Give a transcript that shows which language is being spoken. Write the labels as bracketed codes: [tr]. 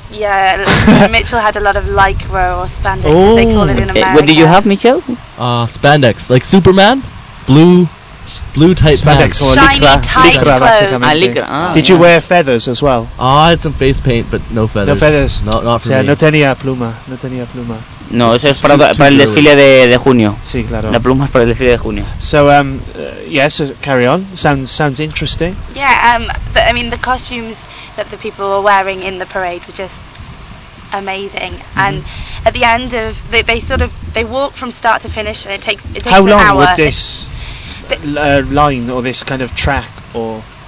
[en] Yeah. Mitchell had a lot of lycra or spandex. Oh. As they call it in America. What do you have, Mitchell? Spandex, like Superman, blue blue tight spandex pants. Or shiny lycra, tight lycra clothes. Lycra. Oh, did you wear feathers as well? Oh, I had some face paint, but no feathers. No feathers. Not for [es] o sea, [en] me. [es] No tenía pluma. No tenía pluma. No, eso es para el desfile de junio. Sí, claro. La pluma es para el desfile de junio. [en] So, yeah, so carry on. Sounds interesting. Yeah, but I mean, the costumes that the people were wearing in the parade were just amazing. Mm-hmm. And at the end of, they walk from start to finish, and it takes an hour. How long would this line or this kind of track or...